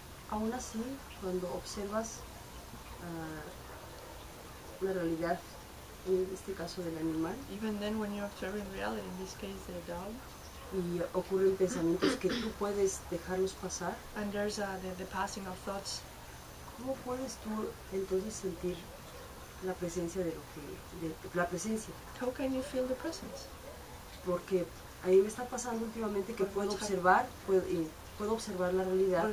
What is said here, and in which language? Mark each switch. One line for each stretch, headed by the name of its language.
Spanish: Aún así, cuando observas la realidad, en este caso del animal,
English: even then when you're observing reality, in this case the dog,
Spanish: y ocurren pensamientos que tú puedes dejarlos pasar,
English: and there's the passing of thoughts,
Spanish: ¿cómo puedes tú entonces sentir la presencia de lo que, la presencia?
English: How can you feel the presence?
Spanish: Porque a mí me está pasando últimamente que puedo observar, puedo observar la realidad.